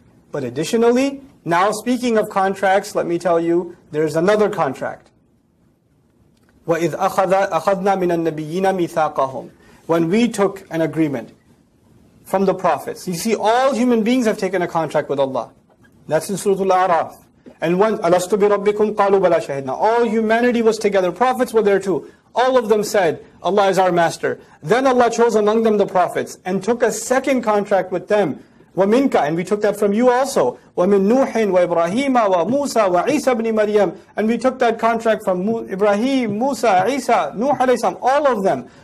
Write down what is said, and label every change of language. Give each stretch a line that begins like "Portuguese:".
English: But additionally, now speaking of contracts, let me tell you, there's another contract.
Arabic: وَإِذْ أَخَذْنَا مِنَ النَّبِيِّينَ مِثَاقَهُمْ.
English: When we took an agreement from the prophets. You see, all human beings have taken a contract with Allah. That's in Surah Al-A'raf. And when
Arabic: أَلَسْتُ بِرَبِّكُمْ قَالُوا بَلَا شَهِدْنَا.
English: All humanity was together. Prophets were there too. All of them said, Allah is our master. Then Allah chose among them the prophets and took a second contract with them.
Arabic: وَمِنْكَ.
English: And we took that from you also.
Arabic: وَمِن نُوحٍ وَإِبْرَاهِيمَ وَمُوسَى وَعِيسَى بْنِ مَرْيَمَ.
English: And we took that contract from Ibrahim, Musa, Isa, Nuh alayhi salam, all of them.